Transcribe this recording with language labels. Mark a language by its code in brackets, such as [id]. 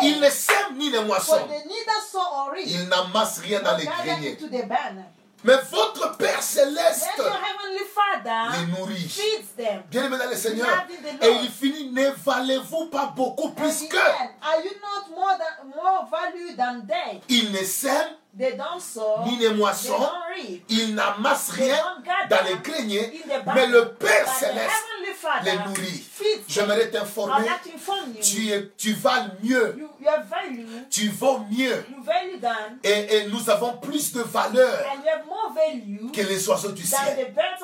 [fr] Ils ne sèment ni ne moissonnent. [en] For they neither sow or reap. [fr] Ils n'amassent rien dans les greniers. [en] Into the barn. [fr] Mais votre Père céleste [en] your heavenly Father [fr] les nourrit. [en] Feeds them. [fr] Bien aimé dans le Seigneur. [en] The Lord. [fr] Et il finit, ne valez-vous pas beaucoup plus [en] and [fr] que [en] are you not more value than they? [fr] Ils ne sèment [en] they don't sow, [fr] ni ne moissonnent. [en] They don't reap. [fr] Ils n'amassent rien dans les greniers. Mais le Père céleste les nourrit. J'aimerais t'informer. Tu vales mieux. Tu vaux mieux. Et nous avons plus de valeur que les oiseaux du ciel.